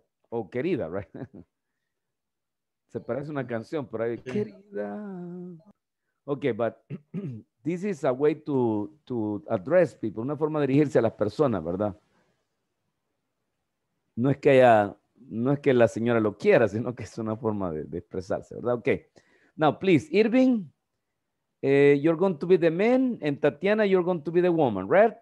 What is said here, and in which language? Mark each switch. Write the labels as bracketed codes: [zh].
[es] O querida, right? Se parece una canción, pero ahí, querida. [en] Okay, but this is a way to address people. [es] Una forma de dirigirse a las personas, ¿verdad? No es que haya, no es que la señora lo quiera, sino que es una forma de expresarse, ¿verdad? [en] Okay. Now, please, Irving, you're going to be the man, and Tatiana, you're going to be the woman, right?